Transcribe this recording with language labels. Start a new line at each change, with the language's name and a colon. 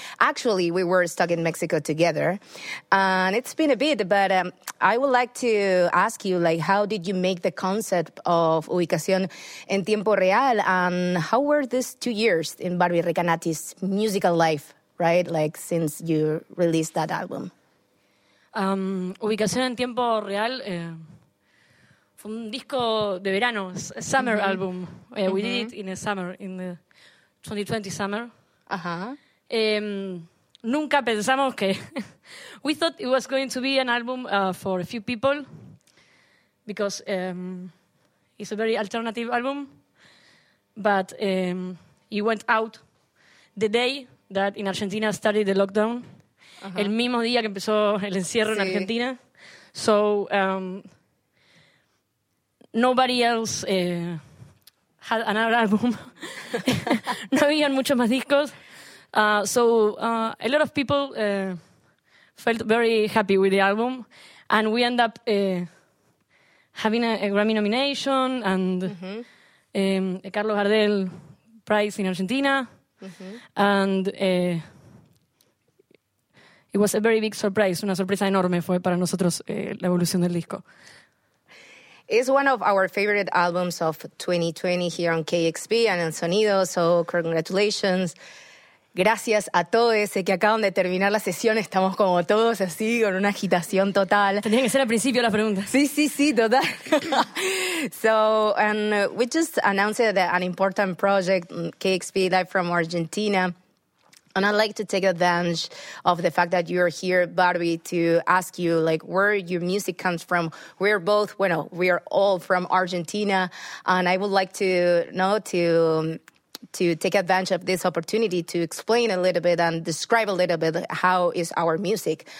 English: Actually, we were stuck in Mexico together. And it's been a bit, but I would like to ask you, like, how did you make the concept of Ubicación en Tiempo Real? And how were these 2 years in Barbie Recanati's musical life, right? Like, since you released that album?
Spanish: Ubicación en Tiempo Real fue un disco de verano,
English: summer
Spanish: mm-hmm.
English: album. Mm-hmm. We did it in the summer, in the 2020 summer. Uh-huh.
Spanish: Nunca pensamos que...
English: We thought it was going to be an album for a few people because it's a very alternative album. But it went out the day that in Argentina started the lockdown.
Spanish: Uh-huh. El mismo día que empezó el encierro sí. en Argentina.
English: So, nobody else had another album.
Spanish: No habían muchos más discos.
English: A lot of people felt very happy with the album. And we end up having a Grammy nomination and uh-huh. A Carlos Gardel Prize in Argentina. Uh-huh. And... it was a very big surprise,
Spanish: una sorpresa enorme fue para nosotros la evolución del disco.
English: It's one of our favorite albums of 2020 here on KXP and El Sonido, so congratulations.
Spanish: Gracias a todos, sé que acaban de terminar la sesión, estamos como todos así, con una agitación total. Tenían que ser al principio las preguntas. Sí, total.
English: So, and we just announced that an important project, KXP Live from Argentina. And I'd like to take advantage of the fact that you're here, Barbie, to ask you, like, where your music comes from. We're both, bueno, we are all from Argentina. And I would like to know to take advantage of this opportunity to explain a little bit and describe a little bit how is our music.